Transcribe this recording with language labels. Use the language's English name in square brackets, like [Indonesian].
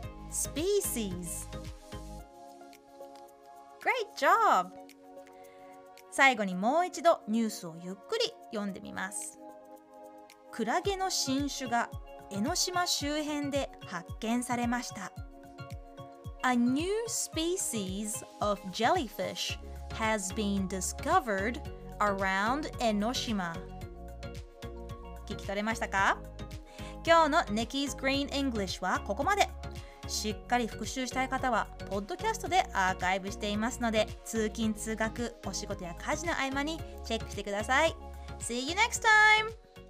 [English] Species. Great job. [Japanese] 最後にもう一度ニュースをゆっくり読んでみます。クラゲの新種が江ノ島周辺で発見されました。 [English] A new species of jellyfish has been discovered around Enoshima. [Japanese] 聞き取れましたか？今日の Nikki's Green English はここまで。しっかり復習したい方はポッドキャストでアーカイブしていますので、通勤通学、お仕事や家事の合間にチェックしてください。 [English] See you next time!